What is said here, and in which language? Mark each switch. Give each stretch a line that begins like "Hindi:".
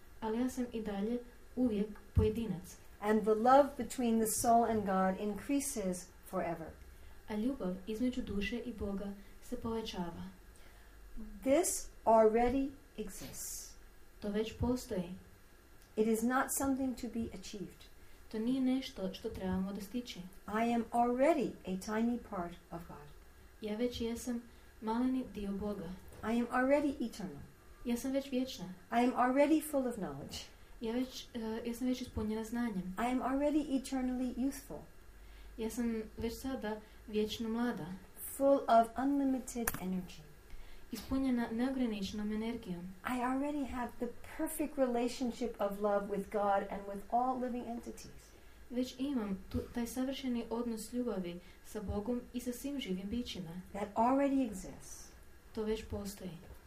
Croatian: Ali ja sam i dalje uvijek pojedinac.
English: And the love between the soul and God increases forever.
Croatian: A ljubav između duše i Boga se povećava.
English: This already exists.
Croatian: To već postoji.
English: It is not something to be achieved.
Croatian: To nije nešto što trebamo dostići.
English: I am already a tiny part of God.
Croatian: Ja već jesam maleni dio Boga.
English: I am already eternal.
Croatian: Ja sam već vječna.
English: I am already full of knowledge.
Croatian: Ja već sam već ispunjena znanjem.
English: I am already eternally youthful.
Croatian: Ja sam već sada vječno mlada.
English: Full of unlimited energy.
Croatian: Ispunjena neograničenom energijom.
English: I already have the perfect relationship of love with God and with all living entities.
Croatian: Već imam taj savršeni odnos ljubavi sa Bogom i sa svim živim bićima.
English: That already exists.
Croatian: To već postoji.